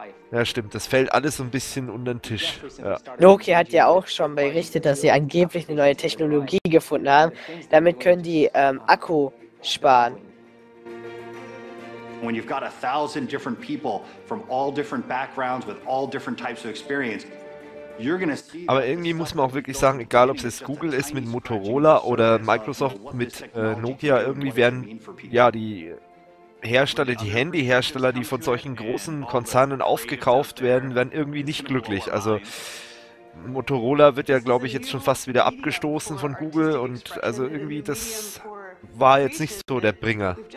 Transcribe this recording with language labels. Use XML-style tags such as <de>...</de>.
<de>Ja, stimmt, das fällt alles so ein bisschen unter den Tisch. Ja. Nokia hat ja auch schon berichtet, dass sie angeblich eine neue Technologie gefunden haben. Damit können die Akku sparen.</de> <en>When you've got 1000 different people from all different backgrounds with all different types of experience.</en> <de>Aber irgendwie muss man auch wirklich sagen, egal ob es jetzt Google ist mit Motorola oder Microsoft mit Nokia, irgendwie werden ja die Hersteller, die Handyhersteller, die von solchen großen Konzernen aufgekauft werden, werden irgendwie nicht glücklich. Also Motorola wird ja, glaube ich, jetzt schon fast wieder abgestoßen von Google und also irgendwie das war jetzt nicht so der Bringer.</de>